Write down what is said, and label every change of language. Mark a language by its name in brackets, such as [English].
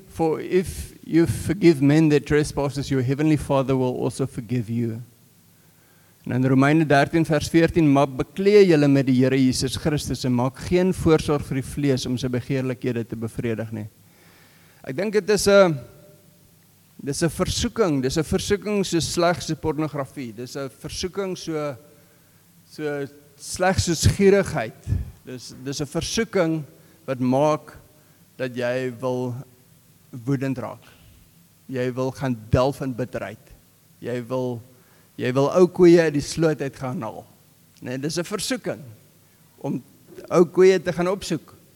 [English] For if you forgive men their trespasses, your heavenly Father will also forgive you. [Afrikaans] En in Romeine 13 vers 14, maar beklee julle met die Here Jesus Christus en maak geen voorsorg vir die vlees om sy begeerlikhede te bevredig nie. Ek dink dit is Dis 'n versoeking, dis 'n versoeking so sleg so pornografie, dis 'n versoeking so sleg soos gierigheid. Dis 'n versoeking wat maak dat jy wil woedend raak. Jy wil gaan delf in bitterheid. Jy wil ou koeie uit die sloot uit gaan haal. Nee, dis 'n versoeking om ou koeie te gaan opsoek.